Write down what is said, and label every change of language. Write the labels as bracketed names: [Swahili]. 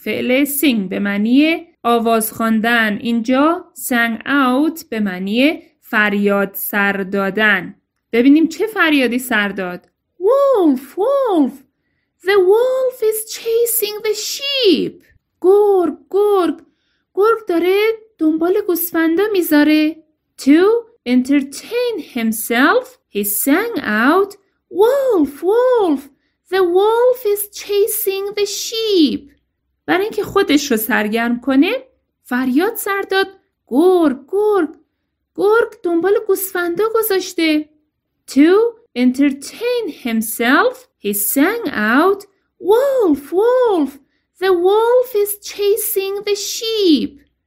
[Persian] فعل sing به معنی آواز خواندن. اینجا sang out به معنی فریاد سر دادن. ببینیم چه فریادی سر داد. [English] Wolf, wolf. The wolf is chasing the sheep. [Persian] گرگ، گرگ. گرگ داره دنبال گوسفندا میذاره. [English] To entertain himself, he sang out, "Wolf, wolf, the wolf is chasing the sheep." [Persian] برای اینکه خودش رو سرگرم کنه، فریاد سر داد، "گرگ، گرگ. گرگ دنبال گوسفندا گذاشته." [English] To entertain himself, he sang out, "Wolf, wolf, the wolf is chasing the sheep."